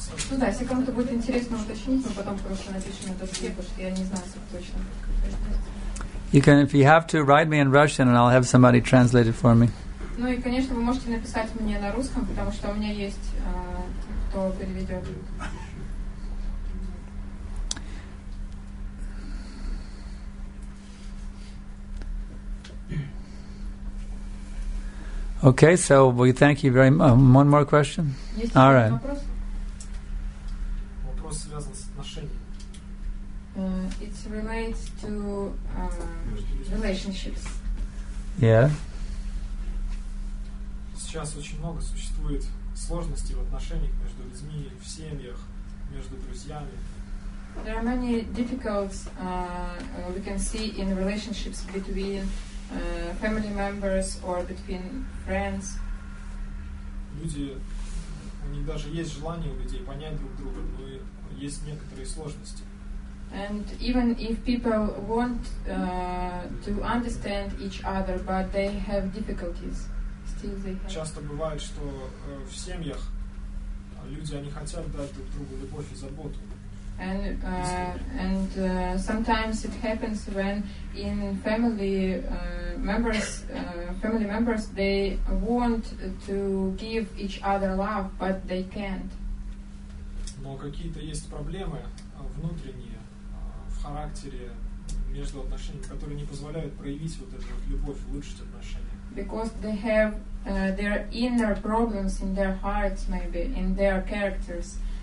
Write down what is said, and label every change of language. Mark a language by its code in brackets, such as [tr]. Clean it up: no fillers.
[ru] Ну да, если кому-то будет интересно уточнить, мы потом просто напишем на доске, потому что я не знаю, как точно. [en] You can, if you have to, write me in Russian, and I'll have somebody translate it for me. [ru] Ну и, конечно, вы можете написать мне на русском, потому что у меня есть кто переведет. [en] Okay, so we thank you very much. One more question? [ru] Есть [en] All right. [ru] Вопрос связан с отношениями. [en] It relates to relationships. Yeah. [ru] Сейчас очень много существует сложностей в отношениях между людьми, в семьях, между друзьями. [en] There are many difficulties we can see in relationships between family members or between friends. [ru] Люди, у них даже есть желание у людей понять друг друга, но есть некоторые сложности. [en] And even if people want to understand each other, but they have difficulties, still they have. [ru] Часто бывает, что в семьях люди они хотят дать друг другу любовь и заботу. [en] And sometimes it happens when in family members they want to give each other love, but they can't. [ru] Но какие-то есть проблемы внутренние в характере между отношениями, которые не позволяют проявить вот эту вот любовь, улучшить отношения. [en] Because they have their inner problems in their hearts, maybe in their characters.